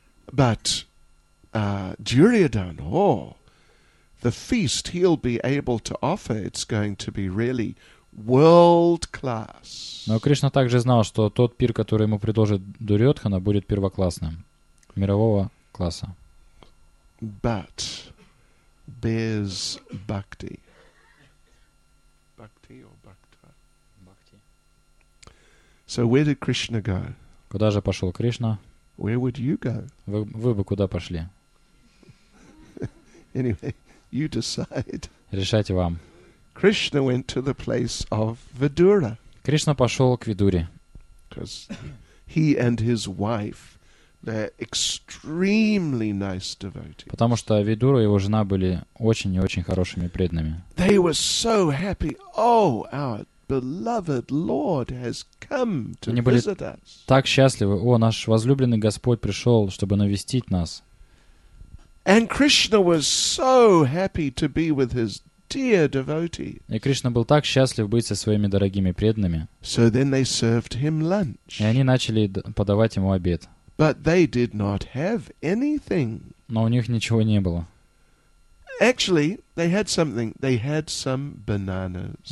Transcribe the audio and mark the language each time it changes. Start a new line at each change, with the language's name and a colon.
English: But Duryodhan, oh, the feast he'll be able to offer, it's going to be really world class.
Russian: Но Кришна также знал, что тот пир, который ему предложит Дурьодхана, будет первоклассным, мирового класса. But без бхакти. Бхакти or бхакта? Бхакти.
English: So where did Krishna go?
Russian: Куда же пошел Кришна?
English: Where would you go?
Russian: Вы бы куда пошли?
English: Anyway, you decide.
Russian: Решайте вам.
English: Krishna went to the place of Vidura.
Russian: Кришна пошел к Видуре.
English: Because he and his wife, they're extremely nice devotees.
Russian: Потому что Видура и его жена были очень и очень хорошими преданными.
English: They were so happy. Oh, our beloved Lord has come to visit us.
Russian: Так счастливы. О, наш возлюбленный Господь пришел, чтобы навестить нас.
English: And Krishna was so happy to be with his dear devotee.
Russian: И Кришна был так счастлив быть со своими дорогими преданными.
English: So then they served him lunch.
Russian: И они начали подавать ему обед.
English: But they did not have anything.
Russian: Но у них ничего не было.
English: Actually, they had something. They had some bananas.